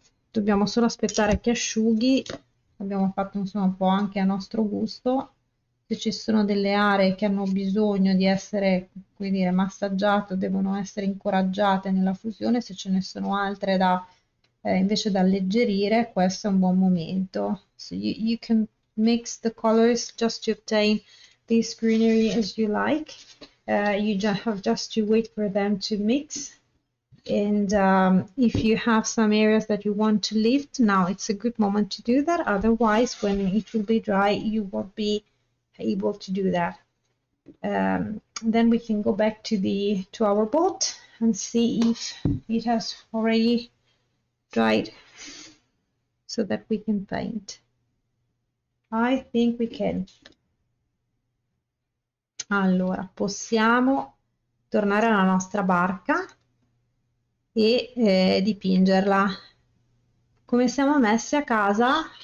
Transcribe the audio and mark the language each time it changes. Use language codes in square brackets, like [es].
[it] Dobbiamo solo aspettare che asciughi. Abbiamo fatto insomma un po' anche a nostro gusto. Ci sono delle aree che hanno bisogno di essere, come dire, massaggiate, devono essere incoraggiate nella fusione. Se ce ne sono altre da invece da alleggerire, questo è un buon momento. [en] So you can mix the colors just to obtain this greenery as you like. You have just to wait for them to mix. And if you have some areas that you want to lift, now it's a good moment to do that. Otherwise, when it will be dry, you won't be able to do that. Then we can go back to our boat and see if it has already dried so that we can paint. I think we can. [it] Allora, possiamo tornare alla nostra barca e dipingerla. Come siamo messi a casa?